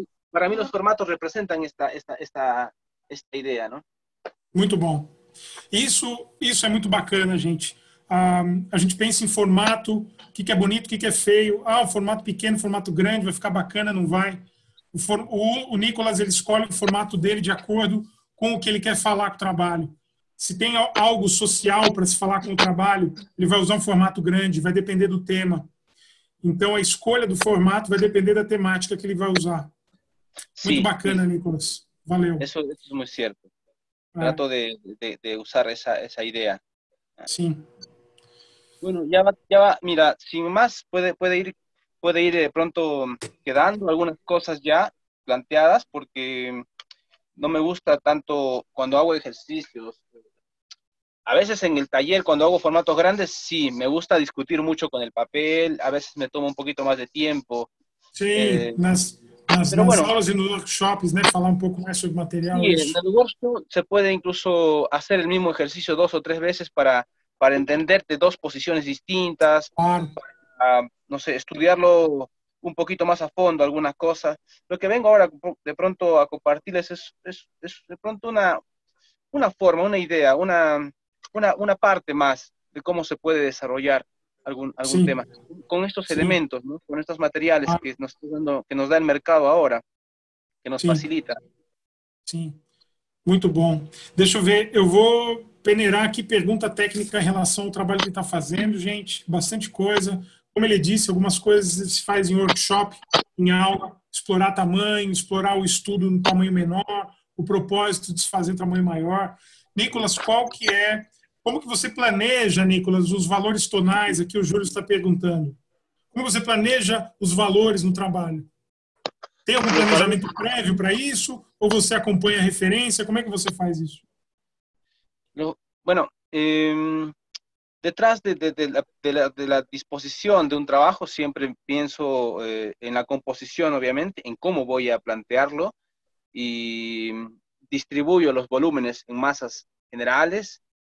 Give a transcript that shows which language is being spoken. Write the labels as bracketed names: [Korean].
[Spanish] Para mí los formatos representan esta idea, ¿no? Muy bien. Eso es muy bacana, gente. [Portuguese] A gente pensa em formato, o que, que é bonito, o que, que é feio. Ah, o formato pequeno, o formato grande, vai ficar bacana, não vai. O Nicolas, ele escolhe o formato dele de acordo com o que ele quer falar com o trabalho. Se tem algo social para se falar com o trabalho, ele vai usar um formato grande, vai depender do tema. Então, a escolha do formato vai depender da temática que ele vai usar. Sim, muito bacana, sim. Nicolas. Valeu. Isso é muito certo. Trato de usar essa ideia. Sim. [Spanish] Bueno, ya va, mira, sin más, puede ir de pronto quedando algunas cosas ya planteadas, porque no me gusta tanto cuando hago ejercicios. A veces en el taller, cuando hago formatos grandes, sí, me gusta discutir mucho con el papel, a veces me tomo un poquito más de tiempo. Sí, aulas y en los workshops, ¿no? [Portuguese] Falar [Spanish] un poco más sobre material. Sí, en el workshop se puede incluso hacer el mismo ejercicio 2 o 3 veces para entenderte 2 posiciones distintas, para, no sé, estudiarlo un poquito más a fondo, algunas cosas. Lo que vengo ahora de pronto a compartirles es de pronto una forma, una idea, una parte más de cómo se puede desarrollar algún sí. tema. Con estos sí. elementos, ¿no? Con estos materiales que nos está dando, que nos da el mercado ahora, que nos sí. facilita. Sí, muy bueno. [Portuguese] Deixa eu ver, eu vou... peneirar aqui pergunta técnica em relação ao trabalho que ele está fazendo, gente. Bastante coisa. Como ele disse, algumas coisas se fazem em workshop, em aula, explorar tamanho, explorar o estudo no tamanho menor, o propósito de se fazer em tamanho maior. Nicolas, qual que é? Como que você planeja, Nicolas, os valores tonais? Aqui o Júlio está perguntando. Como você planeja os valores no trabalho? Tem algum planejamento prévio para isso? Ou você acompanha a referência? Como é que você faz isso? [Spanish] Bueno, detrás de la disposición de un trabajo siempre pienso en la composición, obviamente, en cómo voy a plantearlo y distribuyo los volúmenes en masas generales,